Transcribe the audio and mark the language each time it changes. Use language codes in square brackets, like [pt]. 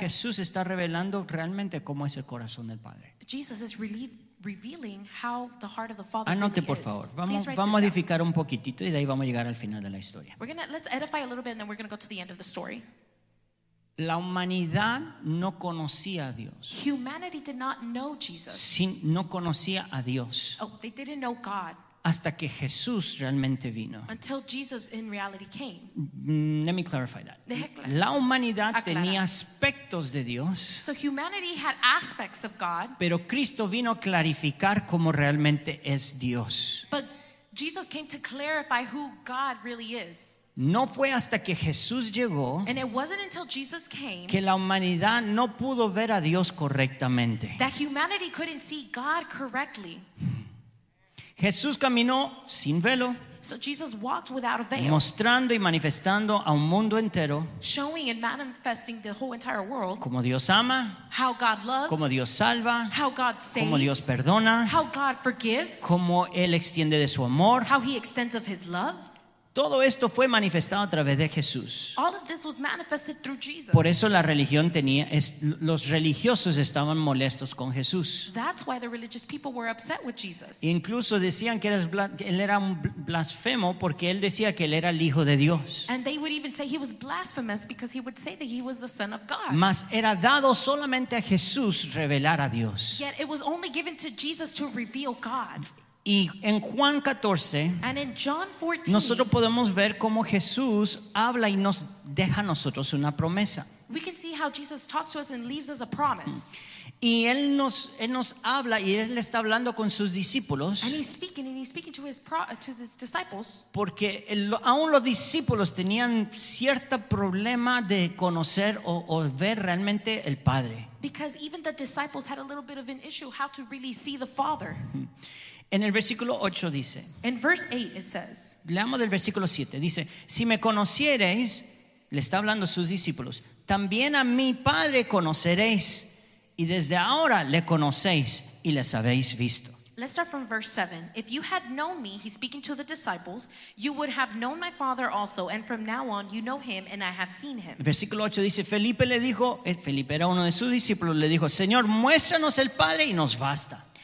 [es] Jesús está revelando realmente cómo es el corazón del Padre. [en] Jesus is revealing how the heart of the Father [es] anote, [en] really is. [es] Por favor. Vamos a edificar un poquitito y de ahí vamos a llegar al final de la historia. [en] Let's edify a little bit and then we're going to go to the end of the story. [es] La humanidad no conocía a Dios. [en] Humanity did not know Jesus. [es] No conocía a Dios. [en] Oh, they didn't know God. [es] Hasta que Jesús realmente vino. [en] Until Jesus in reality came. Let me clarify that. [es] La humanidad tenía aspectos de Dios. [en] So humanity had aspects of God. [es] Pero Cristo vino a clarificar cómo realmente es Dios. [en] But Jesus came to clarify who God really is. [es] No fue hasta que Jesús llegó, [en] and it wasn't until Jesus came, [es] que la humanidad no pudo ver a Dios correctamente. [en] That humanity couldn't see God correctly. [es] Jesús caminó sin velo, [en] so Jesus walked without a veil, [es] mostrando y manifestando a un mundo entero, [en] showing and manifesting the whole entire world, [es] como Dios ama, [en] how God loves, [es] como Dios salva, [en] how God saves, [es] como Dios perdona, [en] how God forgives, [es] como él extiende de su amor, [en] how he extends of his love. [es] Todo esto fue manifestado a través de Jesús. [en] All of this was manifested through Jesus. [es] Por eso la religión tenía, los religiosos estaban molestos con Jesús. [en] That's why the religious people were upset with Jesus. [es] Incluso decían que él era un blasfemo porque él decía que él era el Hijo de Dios. [en] And they would even say he was blasphemous because he would say that he was the Son of God. [es] Mas era dado solamente a Jesús revelar a Dios. [en] Yet it was only given to Jesus to reveal God. [es] Y en Juan 14, [en] and in John 14, [es] nosotros podemos ver cómo Jesús habla y nos deja a nosotros una promesa. [en] We can see how Jesus talks to us and leaves us a promise. [es] Y él nos habla y él está hablando con sus discípulos. [en] And he's speaking, to his disciples. [es] Porque aún los discípulos tenían cierto problema de conocer o ver realmente el Padre. [en] Because even the disciples had a little bit of an issue how to really see the Father. [es] En el versículo 8 dice. [en] In verse 8 it says. [es] Leamos del versículo 7. Dice, si me conociereis, le está hablando a sus discípulos, también a mi Padre conoceréis, y desde ahora le conocéis y les habéis visto. [en] Let's start from verse 7. If you had known me, he's speaking to the disciples, you would have known my Father also, and from now on you know him and I have seen him. [es] Versículo 8 dice, Felipe le dijo, Felipe era uno de sus discípulos, le dijo, Señor, muéstranos el Padre y nos basta.